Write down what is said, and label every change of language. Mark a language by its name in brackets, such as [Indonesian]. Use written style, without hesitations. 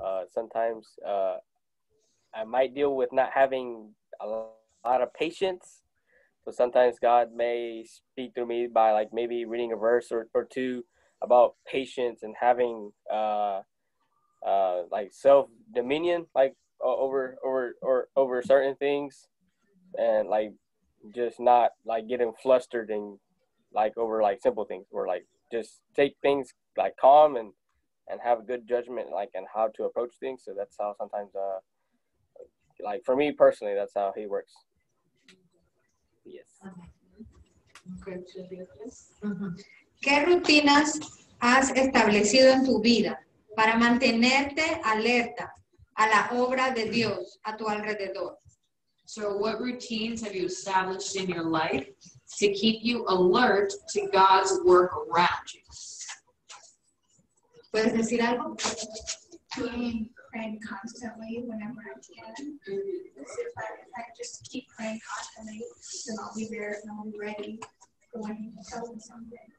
[English] Sometimes I might deal with not having a lot of patience, so sometimes God may speak through me by like maybe reading a verse or two about patience and having like self-dominion, like over certain things, and like just not like getting flustered and like over like simple things, or like just take things like calm and have a good judgment, like, and how to approach things. So that's how sometimes, like for me personally, that's how he works. Yes. [Spanish] ¿Qué rutinas has establecido en tu vida para mantenerte alerta a la obra de Dios a tu alrededor? [English] So what routines have you established in your life to keep you alert to God's work around you? [Spanish] ¿Puedes decir algo? [English] Praying constantly whenever I can. I just keep praying constantly, so I'll be there and I'll be ready for when he tells me something.